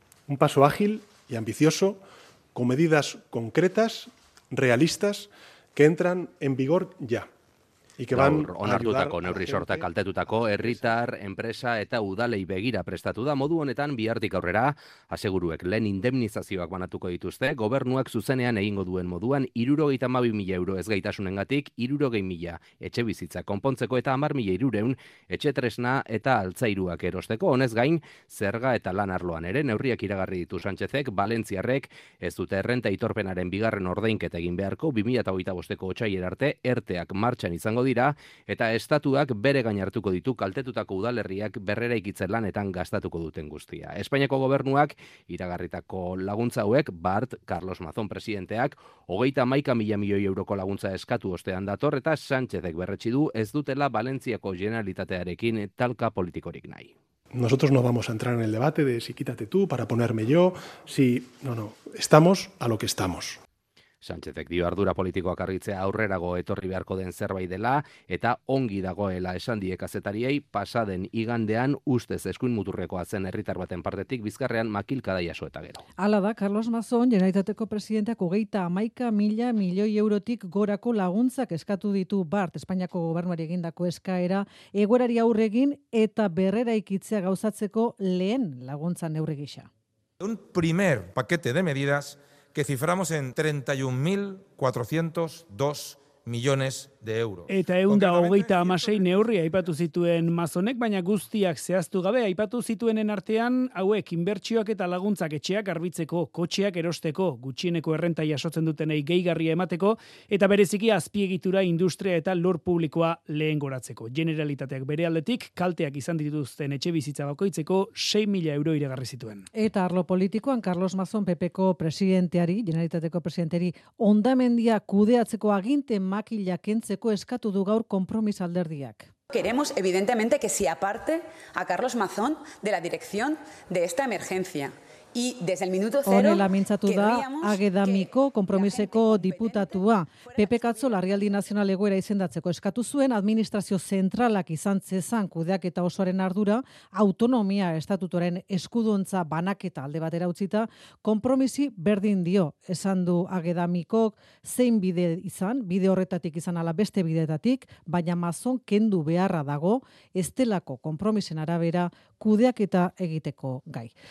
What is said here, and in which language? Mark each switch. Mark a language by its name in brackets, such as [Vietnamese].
[Spanish] Un paso ágil y ambicioso, con medidas concretas, realistas, que entran en vigor ya. Ikeban [Basque] onartutako neurri sorta kaltetutako herritar, enpresa eta udalei begira prestatu da. Modu honetan bihartik aurrera aseguruek lehen indemnizazioak banatuko dituzte, gobernuak zuzenean egingo duen moduan 72.000 euro ezgaitasunengatik 60.000 etxe bizitza konpontzeko eta 10.300 etxe tresna eta altzairuak erosteko. Honez gain, zerga eta lan arloan ere neurriak iragarri ditu Sánchezek. Valentziarrek ez dute errenta aitorpenaren bigarren ordainketa egin beharko 2025eko otsailera arte erteak martxan izango dira eta estatuak bere gain hartuko ditu kaltetutako udalerriak berreraikitze lanetan gastatuko duten guztia. Espainiako gobernuak iragarritako laguntza hauek Bart Carlos Mazón presidenteak 31.000 milioi euroko laguntza eskatu ostean dator eta Sánchezek berretsi du ez dutela Valentziako Generalitatearekin talka politikorik nahi. [Spanish] Nosotros no vamos a entrar en el debate de si quítate tú para ponerme yo, si no, no, estamos a lo que estamos. [Basque] Sánchezek dio ardura politikoak argitzea aurrerago etorri beharko den zerbait dela eta ongi dagoela esan die kazetariei pasaden igandean ustez eskuin muturrekoa zen herritar baten partetik bizkarrean makilkada jaso eta gero. Hala da, Carlos Mazón, Generalitateko presidenteak 31.000 milioi eurotik gorako laguntzak eskatu ditu Bart Espainiako gobernuari egindako eskaera egoerari aurre egin eta berreraikitzea gauzatzeko lehen laguntza neurri gisa. [Spanish] Un primer paquete de medidas que ciframos en 31.402 millones de euros. [Basque] Eta 126 neurri aipatu zituen Mazonek, baina guztiak zehaztu gabe aipatu zituenen artean hauek inbertsioak eta laguntzak etxeak garbitzeko, kotxeak erosteko, gutxieneko errenta jasotzen dutenei gehigarria emateko eta bereziki azpiegitura, industria eta lur publikoa lehengoratzeko. Generalitateak bere aldetik kalteak izan dituzten etxe bizitza bakoitzeko 6.000 euro iragarri zituen. Eta arlo politikoan Carlos Mazón PPko presidenteari, Generalitateko presidenteari hondamendia kudeatzeko aginte makila kentzeko eskatu du gaur Konpromis alderdiak. [Spanish] Queremos evidentemente que se aparte a Carlos Mazón de la dirección de esta emergencia y desde el minuto 0. [Basque] Honela mintzatu da Agedamiko Konpromiseko diputatua. PP katzo larrialdi nazional egoera izendatzeko eskatu zuen administrazio zentralak izan zezan kudeaketa osoaren ardura, autonomia estatutoren eskuduntza banaketa alde batera utzita, Konpromisi berdin dio, esan du Agedamikok zein bide izan, bide horretatik izan ala beste bideetatik, baina Mazón kendu beharra dago estelako Konpromisen arabera kudeaketa egiteko gai.